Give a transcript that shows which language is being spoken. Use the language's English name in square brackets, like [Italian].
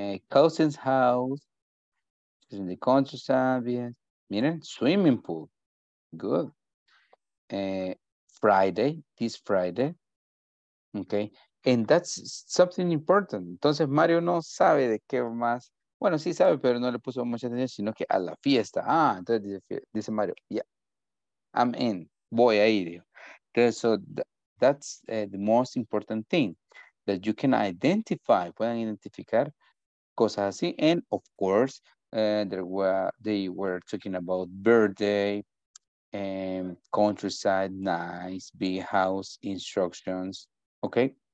[English] Cousin's house. In the countryside. [Spanish] Miren, [English] swimming pool. Good. Friday, this Friday, okay, and that's something important. [Spanish] Entonces Mario no sabe de qué más, bueno, sí sabe, pero no le puso mucha atención, sino que a la fiesta. Ah, entonces dice Mario, [English] yeah, I'm in, [Spanish] voy a ir. [English] Entonces, so that's the most important thing, that you can identify, [Spanish] puedan identificar cosas así, [English] and of course, they were talking about birthday, countryside, nice, big house, instructions, okay?